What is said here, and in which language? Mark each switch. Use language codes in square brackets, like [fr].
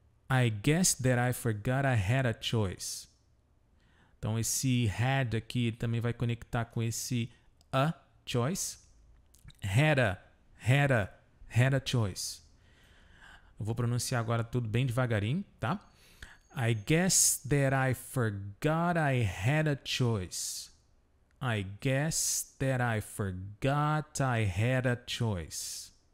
[en] I guess that I forgot I had a choice. [pt] Então, esse had aqui também vai conectar com esse a choice. [en] Had a choice. [pt] Eu vou pronunciar agora tudo bem devagarinho, tá? [en] I guess that I forgot I had a choice. I guess that I forgot I had a choice.